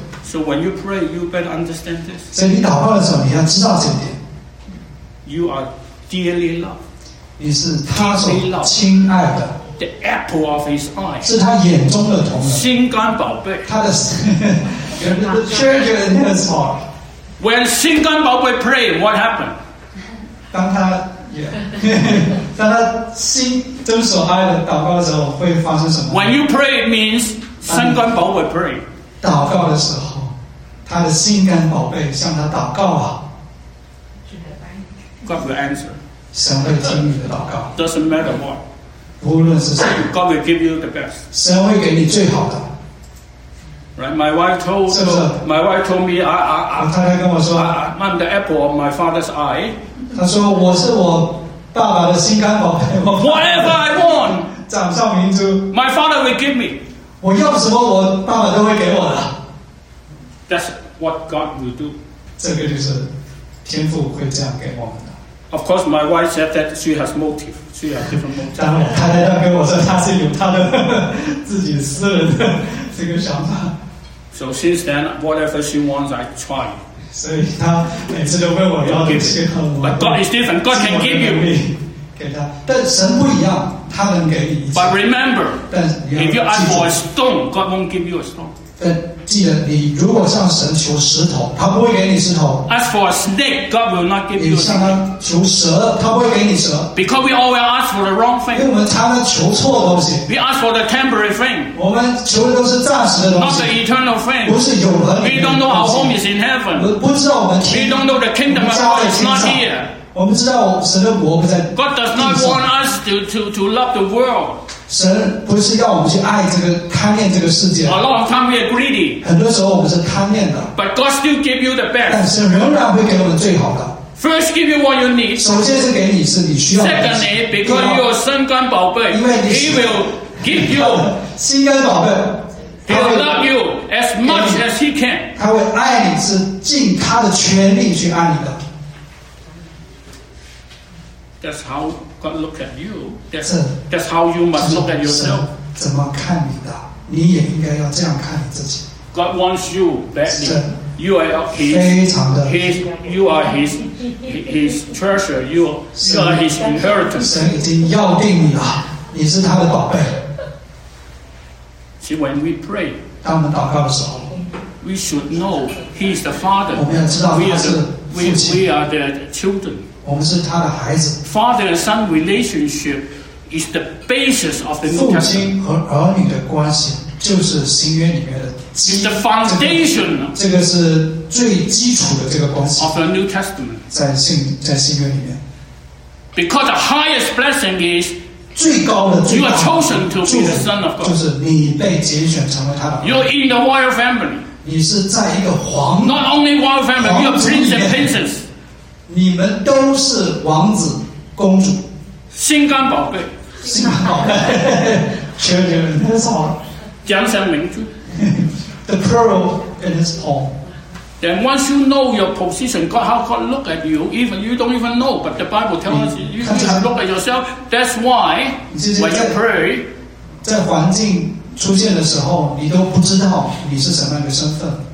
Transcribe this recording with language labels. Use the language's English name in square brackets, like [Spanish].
[English] So when you pray, you better understand this. [Chinese] 所以你祷告的时候，你要知道这一点。 [English] You are dearly loved. [Chinese] 你是他所亲爱的。 [English] The apple of his eye. [Chinese] 是他眼中的瞳。心肝宝贝。他的 [English] The treasure in his heart. When [Chinese] 心肝宝贝 [English] pray, what happened? [Chinese] 当他当他心真所爱的祷告的时候，会发生什么 [English] ？When you pray, it means [Chinese] 心肝宝贝 [English] pray。 [Chinese] 祷告的时候，他的心肝宝贝向他祷告啊。 [English] God will answer。 [Chinese] 神会听你的祷告。 [English] Doesn't matter what。 [Chinese] 无论是谁 [English] ，God will give you the best。 [Chinese] 神会给你最好的。 [English] Right, my wife told [Chinese] 是不是 [English] my wife told me I [Chinese] 太太跟我说 [English] I'm the apple of my father's eye. [Chinese] 她说我是我爸爸的心肝宝贝。 [English] Whatever I want, [Chinese] 掌上明珠 [English] my father will give me. [Chinese] 我要什么，我爸爸都会给我的。 [English] That's what God will do. [Chinese] 这个就是天父会这样给我们的。 [English] Of course, my wife said that she has motive. She has different motive. [Chinese] 当然，太太要跟我说，她是有她的自己私人的。这个想法。 [English] So since then, whatever she wants, I try. [Chinese] 所以他每次都问我要给些什么。 [English] But God is different. God can give you. [Chinese] 给他，但神不一样，他能给你一切。 [English] But remember, [Chinese] 但你要记住 [English] if you ask for a stone, God won't give you a stone. [Chinese] 但记得，你如果向神求石头，他不会给你石头。 [English] Ask for a snake, God will not give you. [Chinese] 你向他求蛇，他不会给你蛇。 [English] Because we always ask for the wrong thing. [Chinese] 因为我们常常求错的东西。 [English] We ask for the temporary thing. [Chinese] 我们求的都是暂时的东西。 [English] Not the eternal thing. [Chinese] 不是永恒。 [English] We don't know our home is in heaven. [Chinese] 我们不知道我们天。 [English] We don't know the kingdom of God is not here. [Chinese] 我们知道神的国不在地上。 [English] God does not want us to love the world. [Chinese] 神不是要我们去爱这个贪恋这个世界。 [English] A lot of time we are greedy. [Chinese] 很多时候我们是贪恋的。 [English] But God still give you the best. [Chinese] 但神仍然会给我们最好的。 [English] First, give you what you need. [Chinese] 首先是给你是你需要的。 [English] Secondly, because you are [Chinese] 心肝宝贝。因为你是。 [English] He will give you. [Chinese] 心肝宝贝。 [English] He will love you as much as he can. [Chinese] 他会爱你是尽他的全力去爱你的。 [English] That's how. God look at you. That's how you must look at yourself. [Chinese] 怎么看你的？你也应该要这样看你自己。 [English] God wants you badly. You are his. [Chinese] 非常的。 [English] You are his treasure. You are his inheritance. [Chinese] 神已经要定你了，你是他的宝贝。 [English] See, when we pray, [Chinese] 当我们祷告的时候 [English] ，we should know he is the father. [Chinese] 我们要知道他是父亲。 [English] We are the children. [Chinese] 我们是他的孩子。 [English] Father and son relationship is the basis of the New [Chinese] Testament. 父亲和儿女的关系就是新约里面的。 [English] It's the foundation. [Chinese] 这个是最基础的这个关系。 [English] Of the New Testament. [Chinese] 在新约里面。 [English] Because the highest blessing is [Chinese] 最高的最大。 [English] You are chosen to be the son of God. [Chinese] 就是你被拣选成为他的。 [English] You're in the royal family. [Chinese] 你是在一个皇。 [English] Not only royal family, you are prince and princess. [Chinese] 你们都是王子公主心肝宝贝心肝宝贝全人都是好奖赏明珠 [English] The pearl in his palm Then once you know your position God, how God look at you even you don't even know but the Bible tells us you should look at yourself That's why when you pray [Chinese] 在环境出现的时候你都不知道你是什么样的身份